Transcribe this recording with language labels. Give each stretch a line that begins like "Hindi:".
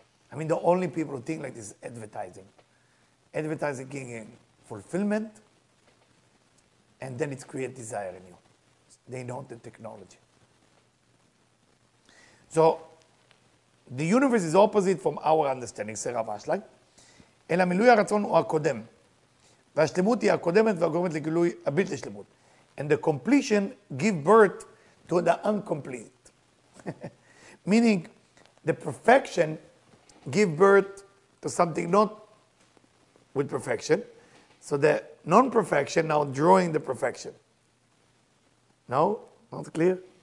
English: I mean, the only people who think like this is advertising. Advertising giving fulfillment, and then it creates desire in you. They know the technology. So, the universe is opposite from our understanding, says Rav Ashlag.
Hebrew: אלא מילוי הרצון הוא הקודם. והשלמות היא הקודמת והגורמת לגילוי הבלתי שלמות.
English: And the completion give birth to the uncomplete. Meaning, the perfection give birth to something not with perfection. So the non-perfection now drawing the perfection. No? Not clear?